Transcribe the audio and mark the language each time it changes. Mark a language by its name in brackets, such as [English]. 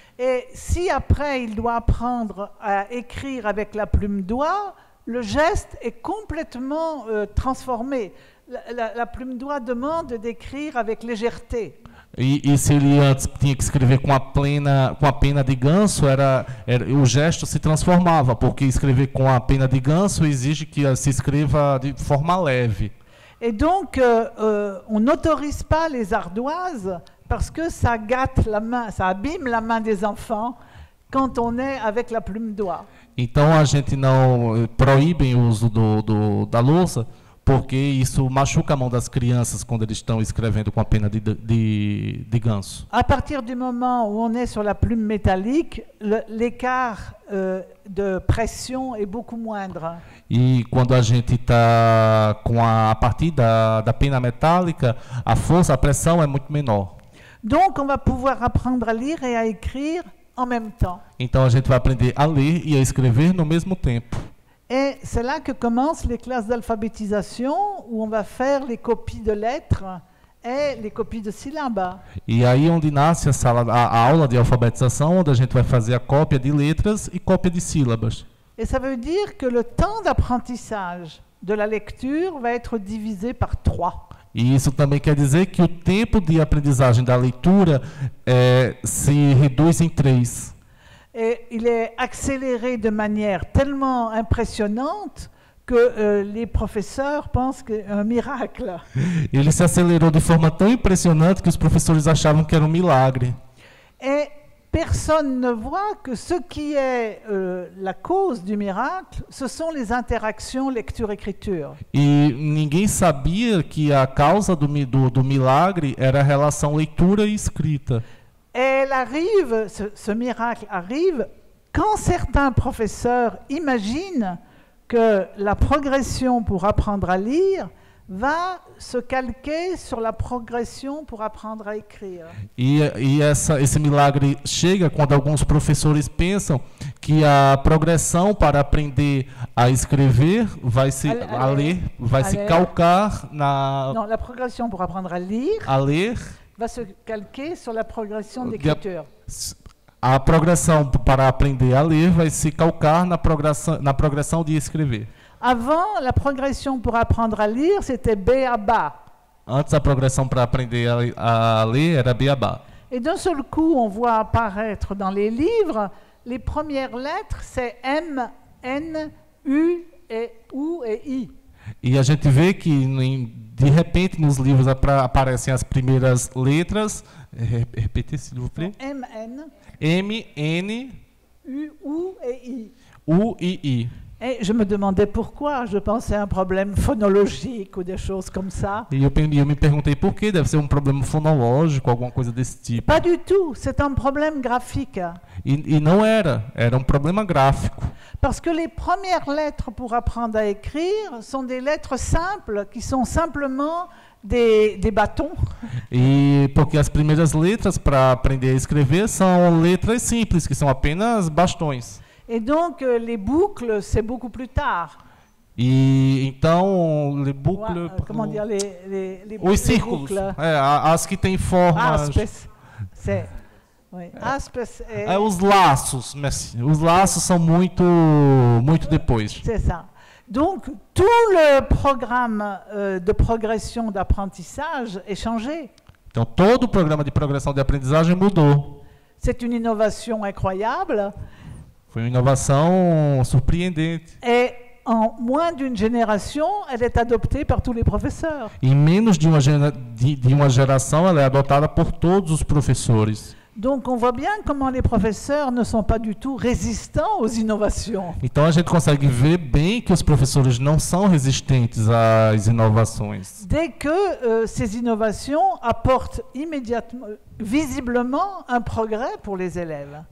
[French] Et si après il doit apprendre à écrire avec la plume d'oie, le geste est complètement transformé. La plume d'oie demande d'écrire avec légèreté. [Portuguese] E se ele antes tinha que escrever com a pena de ganso, era o gesto se transformava, porque escrever com a pena de ganso exige que se escreva de forma leve. [French] Et donc on n'autorise pas les ardoises parce que ça gâte la main, ça abîme la main des enfants quand on est avec la plume d'oie. [Portuguese] Então a gente não proíbe o uso da lousa. Porque isso machuca a mão das crianças quando eles estão escrevendo com a pena de ganso. A partir do momento [French] où on est sur la plume métallique, l'écart de pression est beaucoup moindre. [Portuguese] E quando a gente está com a partir da pena metálica, a força, a pressão é muito menor. [French] Donc on va pouvoir apprendre à lire et à écrire en même temps. [Portuguese] Então a gente vai aprender a ler e a escrever no mesmo tempo. [French] Et c'est là que commencent les classes d'alphabétisation où on va faire les copies de lettres et les copies de syllabes. [Portuguese] E aí onde nasce a aula de alfabetização, onde a gente vai fazer a cópia de letras e cópia de sílabas. [French] Et ça veut dire que le temps d'apprentissage de la lecture va être divisé par 3. [Portuguese] E isso também quer dizer que o tempo de aprendizagem da leitura se reduz em 3. [French] Et il est accéléré de manière tellement impressionnante que les professeurs pensent que c'est un miracle. Il s'est accéléré [Portuguese] de forma tão impressionante que os professores achavam que era um milagre. [French] Et personne ne voit que ce qui est la cause du miracle, ce sont les interactions lecture-écriture. [Portuguese] E ninguém sabia que a causa do milagre era a relação leitura e escrita. [French] Elle arrive, ce miracle arrive quand certains professeurs imaginent que la progression pour apprendre à lire va se calquer sur la progression pour apprendre à écrire. [Portuguese] Esse milagre chega quando alguns professores pensam que a progressão para aprender a escrever vai se calcar na. [French] Non, la progression pour apprendre à lire. [Portuguese] À ler. [French] Va se calquer sur la progression d'écriture. [Portuguese] A progressão para aprender a ler vai se calcar na progressão de escrever. [French] Avant, la progression pour apprendre à lire, c'était béaba. [Portuguese] Antes, a progressão para aprender a ler era béaba. [French] Et d'un seul coup, on voit apparaître dans les livres les premières lettres, c'est M, N, U, et U et I. [Portuguese] E a gente vê que de repente nos livros aparecem as primeiras letras. [French] Repete, s'il vous plaît. M, N. M, N. U, U et I. U, I, I. Et je me demandais pourquoi, je pensais un problème phonologique ou des choses comme ça. [Portuguese] Et eu me perguntei por quê, deve ser problème fonológico, alguma coisa desse tipo. [French] Pas du tout, c'est un problème graphique. [Portuguese] E não era, era problème gráfico. [French] Parce que les premières lettres pour apprendre à écrire sont des lettres simples, qui sont simplement des bâtons. [Portuguese] E porque as primeiras letras para aprender a escrever são letras simples, que são apenas bastões. [French] Et donc les boucles, c'est beaucoup plus tard. [Portuguese] E então [French] les boucles, comment dire les [Portuguese] os círculos, [French] les [Portuguese] boucles. As que têm formas. [French] Aspes. C'est. Oui. Aspes [Portuguese] é os laços, merci. Os laços são muito muito depois. [French] C'est ça. Donc tout le programme de progression d'apprentissage est changé. [Portuguese] Então todo o programa de progressão de aprendizagem mudou. [French] C'est une innovation incroyable. [Portuguese] Foi uma inovação surpreendente. E em menos de uma geração, ela é adotada por todos os professores. Em menos de uma geração, ela é adotada por todos os professores. [French] Donc on voit bien comment les professeurs ne sont pas du tout résistants aux innovations. [Portuguese] Então a gente consegue ver bem que os professores não são resistentes às inovações. [French] Dès que ces innovations apportent immédiatement, visiblement, un progrès pour les élèves.